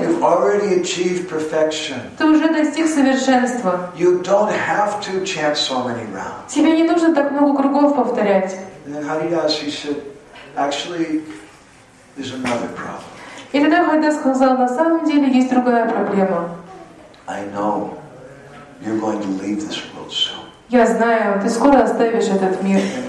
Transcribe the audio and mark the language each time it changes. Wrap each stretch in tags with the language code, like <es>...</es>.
<en>You've already achieved perfection.</en> <ru>Ты уже достиг совершенства.</ru> <en>You don't have to chant so many rounds.</en> <ru>Тебе не нужно так много кругов повторять.</ru> <en>And then Haridas, he said, actually, there's another problem.</en> <ru>И тогда Харидас сказал, на самом деле есть другая проблема.</ru> <en>I know you're going to leave this world soon.</en> <ru>Я знаю, ты скоро оставишь этот мир.</ru>